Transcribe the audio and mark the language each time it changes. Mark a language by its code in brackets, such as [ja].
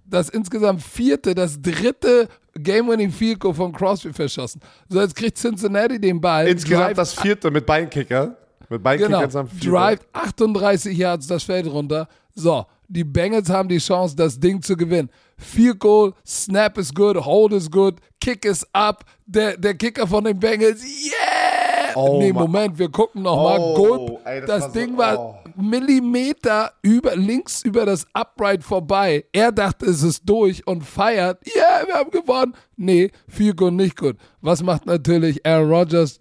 [de] Das insgesamt vierte, das dritte Game-winning Field Goal von Crosby verschossen. So, jetzt kriegt Cincinnati den Ball. Insgesamt das vierte mit Beinkicker. Mit Beinkicker genau. Drive 38 Yards das Feld runter. So, die Bengals haben die Chance, das Ding zu gewinnen. [en] Field Goal, Snap is good, Hold is good, Kick is up. [de] Der Kicker von den Bengals, yeah! Oh, nee, Moment, wir gucken nochmal. Gulp, ey, das Ding war Millimeter über links über das Upright vorbei. Er dachte, es ist durch und feiert. Yeah, wir haben gewonnen. Nee, Field Goal nicht gut. Was macht natürlich Aaron Rodgers?